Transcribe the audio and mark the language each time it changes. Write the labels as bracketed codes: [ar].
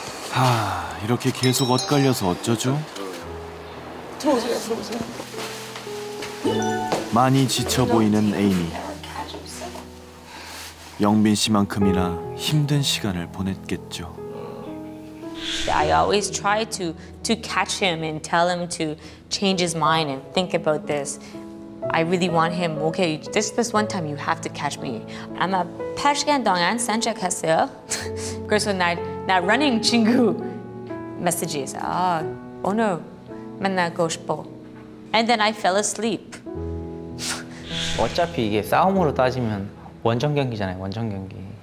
[ko] 하... 이렇게 계속 엇갈려서 어쩌죠? 들어오세요, 들어오세요. 많이 지쳐 보이는 에이미. 영빈 씨만큼이나 힘든 시간을 보냈겠죠. [en] I always try to catch him and tell him to change his mind and think about this. I really want him. Okay, this one time you have to catch me. [ko] 아마 8시간 동안 산책했어요. 그래서 나 running 친구 messages. 아, 오늘 만나고 싶어. [en] And then I fell asleep. [ko] 어차피 이게 싸움으로 따지면 원정 경기잖아요, 원정 경기.